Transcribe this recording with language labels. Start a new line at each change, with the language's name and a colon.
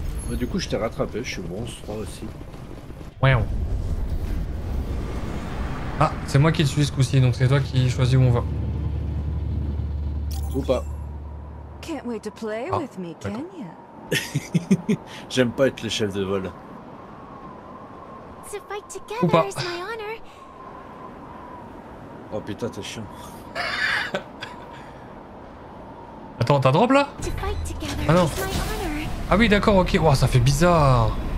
French: Bah, du coup, je t'ai rattrapé. Je suis bronze 3 aussi. Ouais. Ah, c'est moi qui te suis ce coup-ci, donc c'est toi qui choisis où on va. Ou pas.
English: Can't wait to play with me, can you?
French: J'aime pas être le chef de vol. Ou pas. Oh putain, t'es chiant. Attends, t'as drop là? Ah non. Ah oui, d'accord, ok. Wow, ça fait bizarre.